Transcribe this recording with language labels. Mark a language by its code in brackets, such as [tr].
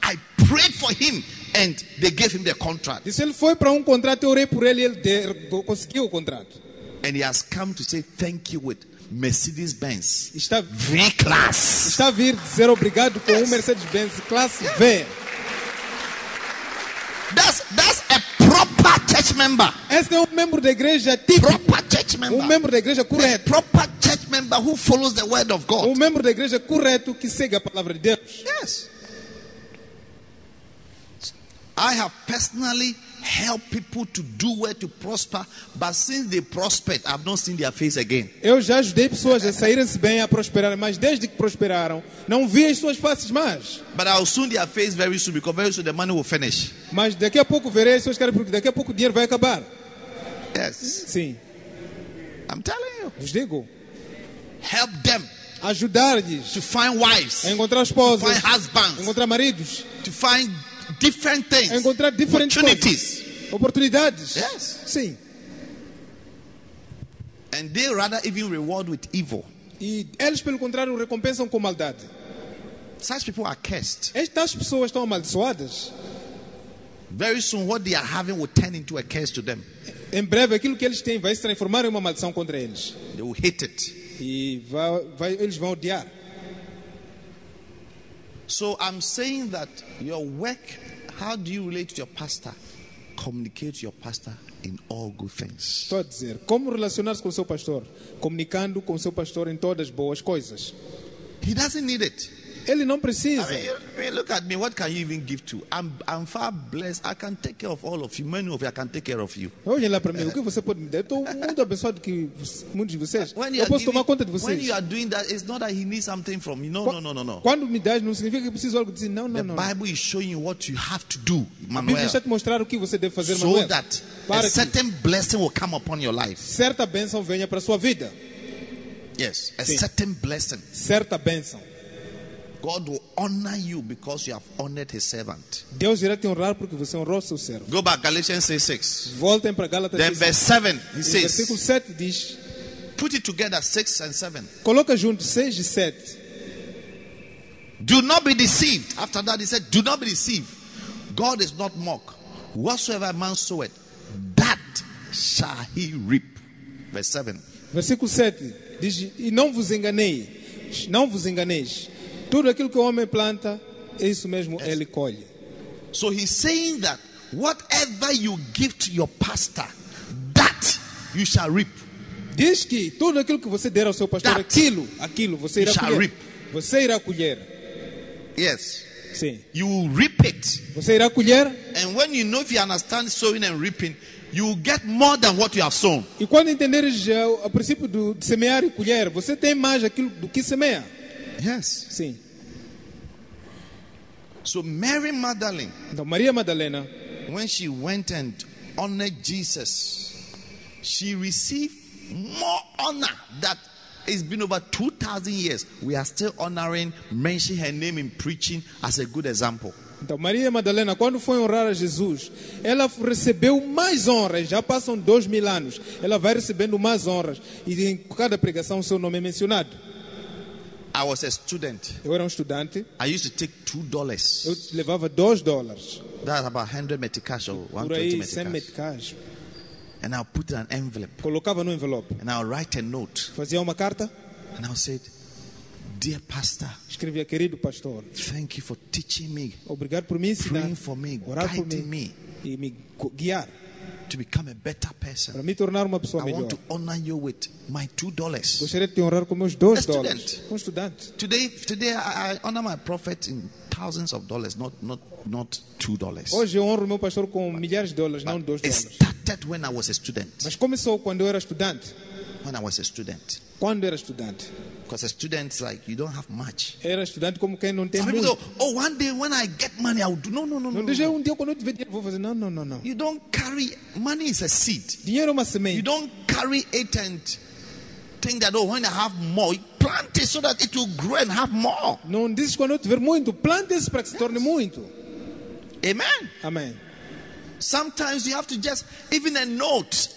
[en] I prayed for him and they gave him the contract. [pt] Disse, ele foi para contrato, eu orei por ele e ele conseguiu o contrato. [en] And he has come to say thank you with Mercedes Benz. [pt] Está [en] V class. [pt] Está a vir dizer obrigado com um Mercedes Benz classe V. [en] That's a proper church member. [pt] Esse é um membro da igreja tipo. [en] Proper church member. [pt] Um membro da igreja correto. [en] A proper church member who follows the word of God. [pt] Um membro da igreja correto que segue a palavra de Deus. [en] Yes. I have personally help people to do well to prosper, but since they prospered, I've not seen their face again. [pt] Eu já ajudei pessoas a saírem-se bem, a prosperarem, mas desde que prosperaram, não vi as suas faces mais. [en] But I'll soon their face very soon, because very soon the money will finish. [pt] Mas daqui a pouco verei as suas caras, porque daqui a pouco o dinheiro vai acabar. [en] Yes. [pt] Sim. [en] I'm telling you. [pt] Vos digo. [en] Help them. [pt] Ajudar-lhes. [en] To find wives. [pt] A encontrar esposas. [en] To find husbands. [pt] Encontrar maridos. [en] To find different things, [pt] encontrar diferentes [en] opportunities, [pt] coisas, oportunidades. [en] Yes. [pt] Sim. [en] And they rather even reward with evil. [pt] E eles pelo contrário recompensam com maldade. [en] Such people are cursed. [pt] Estas pessoas estão amaldiçoadas. [en] Very soon, what they are having will turn into a curse to them. [pt] Em breve, aquilo que eles têm vai se transformar em uma maldição contra eles. [en] They will hate it. [pt] E eles vão odiar. [en] So I'm saying that your work, how do you relate to your pastor? Communicate to your pastor in all good things. [pt] Estou a dizer, como relacionar-se com o seu pastor? Comunicando com o seu pastor em todas as boas coisas. [en] He doesn't need it. [pt] Ele não precisa. [en] I mean, look at me, what can you even give to? I'm far blessed. I can take care of all of you. Many of you, I can take care of you. [pt] Olhem lá para mim, o que você pode me dar? Estou muito abençoado que muitos de vocês. Eu posso tomar conta de vocês. [en] When you are doing that, it's not that he needs something from you. No. [pt] Quando me dás, não significa que preciso algo de você. Não. [en] The Bible is showing you what you have to do, Manuel. [pt] A Bíblia está te mostrar o que você deve fazer, Manuel. [en] So that a certain blessing will come upon your life. [pt] Certa bênção venha para sua vida. [en] Yes, a certain blessing. [pt] Certa bênção. [en] God will honor you because you have honored his servant. [pt] Deus irá te honrar porque você honrou seu servo. [en] Go back, Galatians 6. [pt] Voltem para Gálatas 6. [en] Then verse 7, he says. [pt] Versículo 7 diz. [en] Put it together, 6 and 7. [pt] Coloca junto 6 e 7. [en] Do not be deceived. After that he said, do not be deceived. God is not mocked. Whatsoever a man soweth, that shall he reap. Verse 7. [pt] Versículo 7 diz, e não vos enganeis. Não vos enganeis. Tudo aquilo que o homem planta, é isso mesmo, yes, ele colhe. [en] So he's saying that whatever you give to your pastor, that you shall reap. [pt] Diz que tudo aquilo que você der ao seu pastor, [en] that [pt] aquilo você irá colher. [en] Reap. [pt] Você irá colher. [en] Yes. [pt] Sim. [en] You will reap it. [pt] Você irá colher. [en] And when you know if you understand sowing and reaping, you will get more than what you have sown. [pt] E quando entenderes o princípio do semear e colher, você tem mais aquilo do que semeia. [en] Yes. [pt] Sim. [en] So Mary Magdalene, [pt] então, Maria Madalena, [en] when she went and honored Jesus, she received more honor that it's been over 2,000 years. We are still honoring, mentioning her name in preaching as a good example. [pt] Então, Maria Madalena, quando foi honrar a Jesus, ela recebeu mais honras. Já passam 2,000 anos. Ela vai recebendo mais honras. E em cada pregação, seu nome é mencionado. [en] I was a student. [pt] Eu era estudante. [en] I used to take $2. [pt] Eu levava $2. [en] That's about 100 meticais or 120 meticais. And I'll put it in an envelope. [pt] Colocava no envelope. [en] And I'll write a note. [pt] Fazia uma carta. [en] And I'll say, dear pastor. [pt] Escrevia, querido pastor. [en] Thank you for teaching me. [pt] Obrigado por me ensinar. [en] Praying for me. [pt] Orar [en] guiding [pt] por [en] me. [pt] E me guiar. [en] to become a better person. [pt] Para me tornar uma pessoa [en] I [pt] melhor. [en] Want to honor you with my $2. [pt] Gostaria de te honrar com meus $2. Um estudante. [en] Today I honor my prophet in thousands of dollars, not $2. [pt] Hoje eu honro meu pastor com milhares de dólares, não $2. [en] It started when I was a student. [pt] Mas começou quando eu era estudante. [en] When I was a student. [pt] Quando era estudante. [en] Because a student is like you don't have much. [pt] Era estudante como quem não tem [en] some [pt] muito. [en] Go, oh, one day when I get money, I'll do. No. You don't carry money is a seed. [pt] Dinheiro é uma semente. [en] You don't carry it and think that oh, when I have more, plant it so that it will grow and have more. [pt] Não diz quando tiver muito, plant isso para que se torne muito. [en] Amen. Amen. Sometimes you have to just even a note.